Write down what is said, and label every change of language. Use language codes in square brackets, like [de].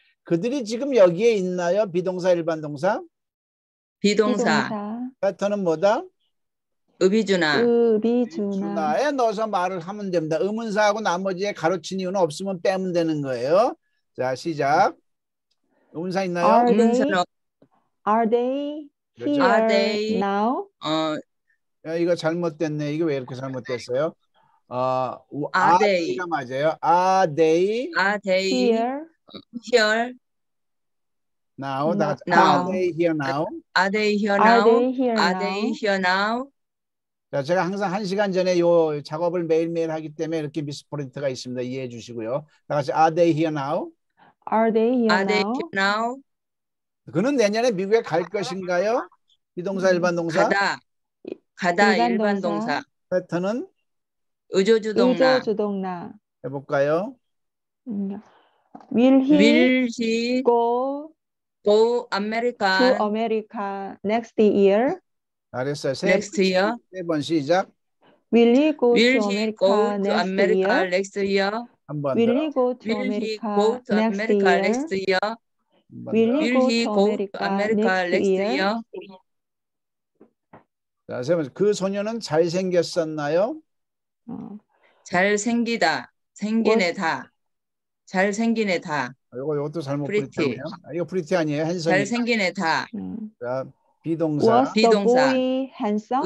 [ko] 그들이 지금 여기에 있나요? 비동사 일반 동사? 비동사. 패턴은 뭐다? 의비준아. 의비준아에 넣어서 말을 하면 됩니다. 의문사하고 나머지에 가로친 이유는 없으면 빼면 되는 거예요. 자, 시작. 의문사 있나요? [en] Are they, are they here now? [ko] 야, 이거 잘못됐네. 이게 왜 이렇게 잘못됐어요? 아데이가 맞아요. 아데이. 아데이. [en] Here. Now. Now. Are they here now? Are they here now? Are they here now? [ko] 자, 제가 항상 한 시간 전에 요 작업을 매일매일 하기 때문에 이렇게 미스포린트가 있습니다. 이해해 주시고요. 다 같이 [en] Are they here now? Are they here now? Are they now? [ko] 그는 내년에 미국에 갈 것인가요? 비동사 일반 동사. 가다. 가다 일반 동사. 패턴은? 의조주동나. 의조주동나. 해볼까요? [en] Will he, will he go, go America? To America next year? [ko] 알겠어요. [en] Next year. [ko] 세 번 시작. [en] Will he go, will to, he America go to America next year? Next year? [ko] 한 번 [en] will [ko] 더. [en] Will he go to America next year? Will he go to America next year? [ko] 자, 세 번. 그 소녀는 잘생겼었나요? 잘 생기다, 생긴에 다, 잘 생긴에 다. 이거 이것도 잘못 프리티예요. 이거 프리티 아니에요, 핸섬. 잘 생긴에 다. 자, 비동사. [en] Was 비동사. The boy handsome?